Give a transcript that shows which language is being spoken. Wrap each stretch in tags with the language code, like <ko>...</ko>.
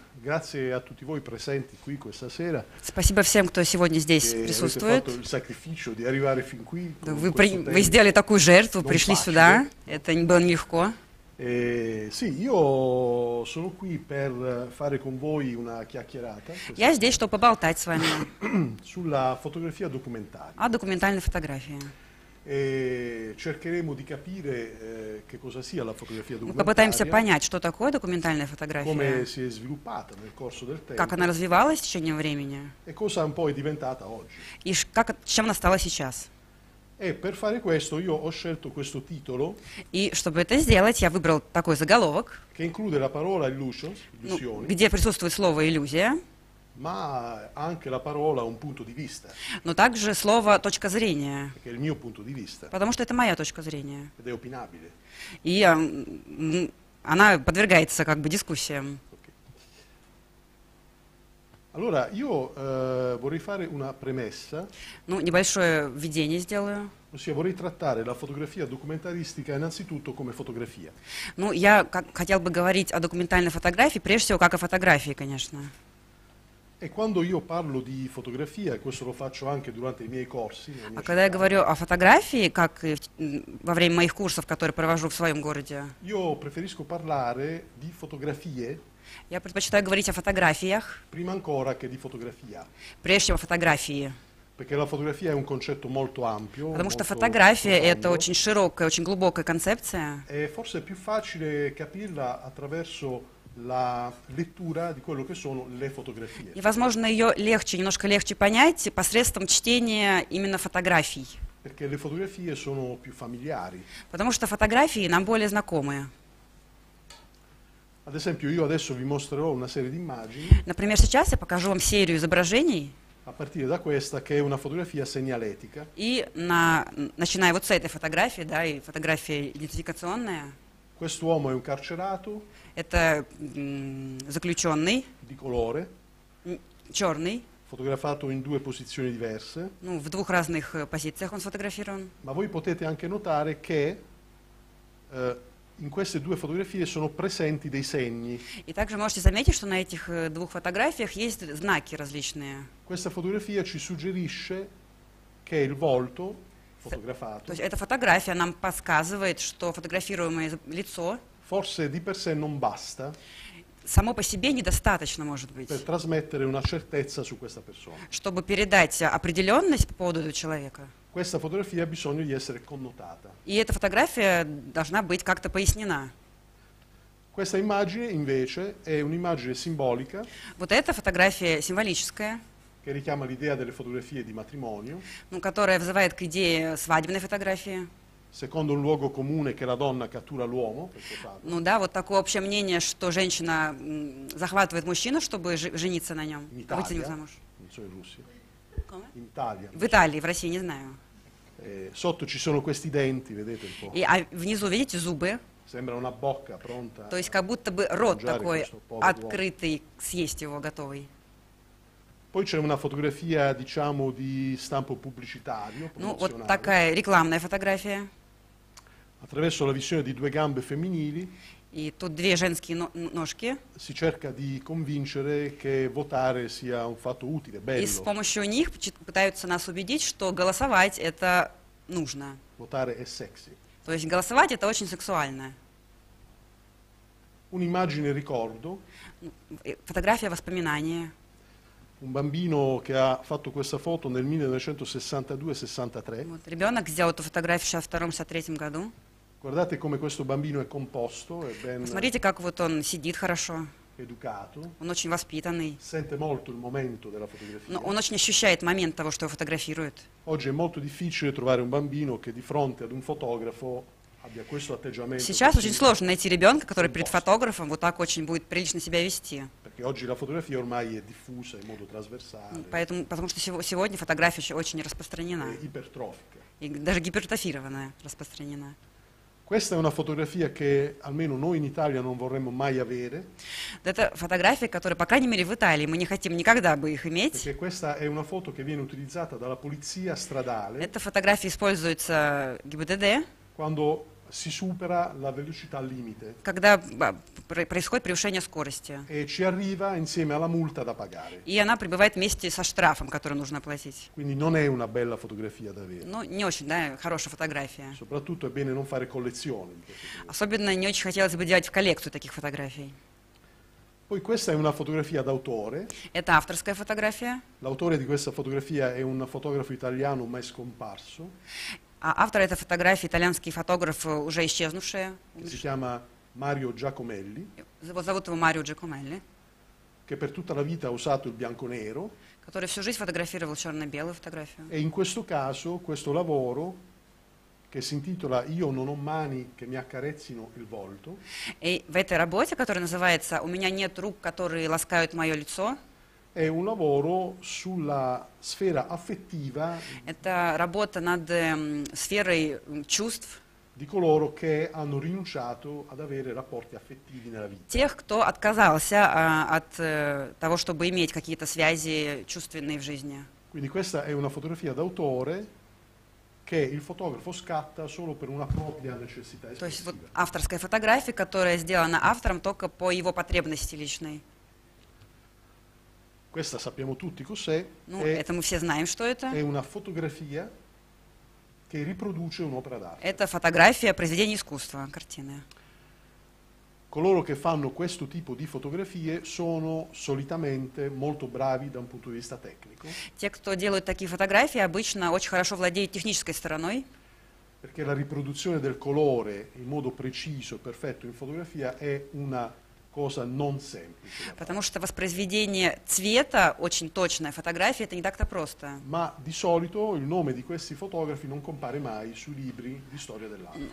<it>Grazie a tutti voi presenti qui questa sera.</it> <ru>Спасибо всем, кто сегодня здесь присутствует.</ru> <it>Avete fatto il sacrificio di arrivare fin qui.</it> <ru>Вы сделали такую жертву, пришли сюда. Это не было нелегко.</ru> <it>Sì, io sono qui per fare con voi una chiacchierata.</it> <ru>Я здесь, чтобы поболтать с вами.</ru> <it>Sulla fotografia documentale.</it> <ru>О документальной фотографии.</ru> <it>E cercheremo di capire che cosa sia la fotografia documentaria.</it> <ru>Попытаемся понять, что такое документальная фотография.</ru> <it>Come si è sviluppata nel corso del tempo.</it> <ru>Как она развивалась в течение времени.</ru> <it>E cosa un po' è diventata oggi.</it> <ru>И как чем она стала сейчас.</ru> <it>E per fare questo io ho scelto questo titolo.</it> <ru>И чтобы это сделать, я выбрал такой заголовок.</ru> <it>Che include la parola illusion, illusioni.</it> <ru>Где присутствует слово иллюзия.</ru> <it>Ma anche la parola un punto di vista.</it> <ru>Но также слово точка зрения.</ru> <it>Perché è il mio punto di vista.</it> <ru>Потому что это моя точка зрения.</ru> <it>Ed è opinabile.</it> <ru>И она подвергается как бы дискуссиям. Okay.</ru> <it>Allora, io vorrei fare una premessa.</it> <ru>Ну, небольшое введение сделаю.</ru> <it>Ossia, vorrei trattare la fotografia documentaristica innanzitutto come fotografia.</it> <ru>Ну, я хотел бы говорить о документальной фотографии прежде всего как о фотографии, конечно.</ru> <it>E quando io parlo di fotografia, questo lo faccio anche durante i miei corsi.</it> <ru>А когда я говорю о фотографии, как во время моих курсов, которые провожу в своем городе.</ru> <it>Io preferisco parlare di fotografie.</it> <ru>Я предпочитаю говорить о фотографиях.</ru> <it>Prima ancora che di fotografia.</it> <ru>Прежде чем о фотографии.</ru> <it>Perché la fotografia è un concetto molto ampio.</it> <ru>Потому что фотография это очень широкая, очень глубокая концепция.</ru> <it>E forse è più facile capirla attraverso la lettura di quello che sono le fotografie.</it> <ru>И возможно ее легче, немножко легче понять посредством чтения именно фотографий.</ru> <it>Perché le fotografie sono più familiari.</it> <ru>Потому что фотографии нам более знакомые.</ru> <it>Ad esempio, io adesso vi mostrerò una serie di immagini.</it> <ru>Например, сейчас я покажу вам серию изображений.</ru> <it>A partire da questa che è una fotografia segnalettica.</it> <ru>И начиная вот с этой фотографии, да, и фотография идентификационная.</ru> <it>Quest'uomo è un carcerato.</it> <ru>Это заключенный.</ru> <it>Di colore.</it> <ru>Черный.</ru> <it>Fotografato in due posizioni diverse.</it> <ru>Ну, в двух разных позициях он сфотографирован.</ru> <it>Ma voi potete anche notare che in queste due fotografie sono presenti dei segni.</it> <ru>И также можете заметить, что на этих двух фотографиях есть знаки различные.</ru> <it>Questa fotografia ci suggerisce che il volto fotografato.</it> <ru>То есть эта фотография нам подсказывает, что фотографируемое лицо.</ru> <it>Forse di per sé non basta.</it> <ru>Само по себе недостаточно, может быть.</ru> <it>Per trasmettere una certezza su questa persona.</it> <ru>Чтобы передать определенность по поводу этого человека.</ru> <it>Questa fotografia ha bisogno di essere connotata.</it> <ru>И эта фотография должна быть как-то пояснена.</ru> <it>Questa immagine invece è un'immagine simbolica.</it> <ru>Вот эта фотография символическая.</ru> <it>Che richiama l'idea delle fotografie di matrimonio.</it> <ru>Ну, которая взывает к идее свадебной фотографии.</ru> <it>Secondo un luogo comune che la donna cattura l'uomo.</it> <ru>Ну да, вот такое общее мнение, что женщина захватывает мужчину, чтобы жениться на нем.</ru> <it>In Italia,</it> <ru>выйти замуж.</ru> <it>Non so, in Italia,</it> <ru>в Италии, в России, не знаю.</ru> <it>Sotto ci sono questi denti, vedete un po'.</it> <ru>И, а внизу видите зубы?</ru> <it>Sembra una bocca pronta.</it> <ru>То есть как будто бы рот такой открытый, съесть его готовый.</ru> <it>Poi c'è una fotografia, diciamo, di stampo pubblicitario.</it> <ru>Ну, вот такая рекламная фотография.</ru> <it>Attraverso la visione di due gambe femminili.</it> <ru>И тут две женские ножки.</ru> <it>Si cerca di convincere che votare sia un fatto utile, bello.</it> <ru>И с помощью них пытаются нас убедить, что голосовать это нужно.</ru> <it>Votare è sexy.</it> <ru>То есть голосовать это очень сексуально.</ru> <it>Un'immagine ricordo.</it> <ru>Фотография воспоминания.</ru> <it>Un bambino che ha fatto questa foto nel 1962-63.</it> <ru>Ребенок сделал эту фотографию сейчас в 1963 году.</ru> <it>Guardate come questo bambino è composto, è ben.</it> <ru>Смотрите, как вот он сидит хорошо.</ru> <it>Educato.</it> <ru>Он очень воспитанный.</ru> <it>Sente molto il momento della fotografia.</it> <ru>Но он очень ощущает момент того, что его фотографируют.</ru> <it>Oggi è molto difficile trovare un bambino che di fronte ad un fotografo abbia questo atteggiamento.</it> <ru>Сейчас очень сложно найти ребенка, который перед фотографом вот так очень будет прилично себя вести.</ru> <it>Perché oggi la fotografia ormai è diffusa in modo trasversale.</it> <ru>Поэтому, потому что сегодня фотография еще очень распространена.</ru> <it>E ipertrofica.</it> <ru>И даже гипертрофированная распространена.</ru> <it>Questa è una fotografia che almeno noi in Italia non vorremmo mai avere.</it> <ru>Это фотография, которая, по крайней мере, в Италии мы не хотим никогда бы их иметь.</ru> <it>Perché questa è una foto che viene utilizzata dalla polizia stradale.</it> <ru>Эта фотография используется ГИБДД.</ru> <it>Quando si supera la velocità limite.</it> <ru>Когда происходит превышение скорости.</ru> <it>E ci arriva insieme alla multa da pagare.</it> <ru>И она прибывает вместе со штрафом, который нужно платить.</ru> <it>Quindi non è una bella fotografia da avere.</it> <ru>Ну, не очень, да, хорошая фотография.</ru> <it>Soprattutto è bene non fare collezioni.</it> <ru>Особенно не очень хотелось бы делать в коллекцию таких фотографий.</ru> <it>Poi questa è una fotografia d'autore.</it> <ru>Это авторская фотография.</ru> <it>L'autore di questa fotografia è un fotografo italiano mai scomparso.</it> <ru>А автор этой фотографии итальянский фотограф, уже исчезнувший.</ru> <it>Si chiama Mario Giacomelli.</it> <ru>Зовут его Марио Джакомелли.</ru> <it>Che per tutta la vita ha usato il bianco-nero.</it> <ru>Который всю жизнь фотографировал черно-белую фотографию.</ru> <it>E in questo caso questo lavoro che si intitola Io non ho mani che mi accarezzino il volto.</it> <ru>E в этой работе, которая называется У меня нет рук, которые ласкают мое лицо.</ru> <it>È un lavoro sulla sfera affettiva.</it> <ru>Это работа над сферой чувств.</ru> <it>Di coloro che hanno rinunciato ad avere rapporti affettivi nella vita.</it> <ru>Тех, кто отказался от того, чтобы иметь какие-то связи чувственные в жизни.</ru> <it>Quindi questa è una fotografia d'autore che il fotografo scatta solo per una propria necessità espressiva.</it> <ru>То есть вот авторская фотография, которая сделана автором только по его потребности личной.</ru> <it>Questa sappiamo tutti cos'è.</it> <ru>Ну, это мы все знаем, что это.</ru> <it>È una fotografia che riproduce un'opera d'arte.</it> <ru>Это фотография произведения искусства, картины.</ru> <it>Coloro che fanno questo tipo di fotografie sono solitamente molto bravi da un punto di vista tecnico.</it> <ru>Те, кто делают такие фотографии, обычно очень хорошо владеют технической стороной.</ru> <it>Perché la riproduzione del colore in modo preciso e perfetto in fotografia è una cosa non semplice.</it> <ru>Потому что воспроизведение цвета очень точная фотография это не так-то просто.</ru> <it>Ma di solito il nome di questi fotografi non compare mai sui libri di storia dell'arte.</it>